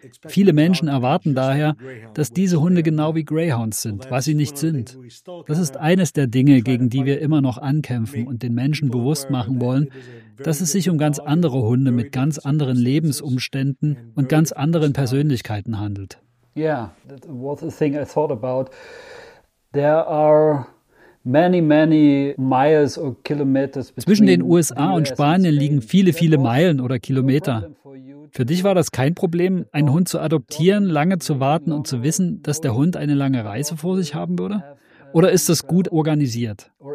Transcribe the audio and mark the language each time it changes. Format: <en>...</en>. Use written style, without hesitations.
<de>Viele Menschen erwarten daher, dass diese Hunde genau wie Greyhounds sind, was sie nicht sind. Das ist eines der Dinge, gegen die wir immer noch ankämpfen und den Menschen bewusst machen wollen, dass es sich um ganz andere Hunde mit ganz anderen Lebensumständen und ganz anderen Persönlichkeiten handelt.</de> <en>Yeah, that was a thing I thought about. There are many miles or kilometers.</en> <de>Zwischen den USA und Spanien liegen viele, viele Meilen oder Kilometer. Für dich war das kein Problem, einen Hund zu adoptieren, lange zu warten und zu wissen, dass der Hund eine lange Reise vor sich haben würde? Oder ist das gut organisiert?</de>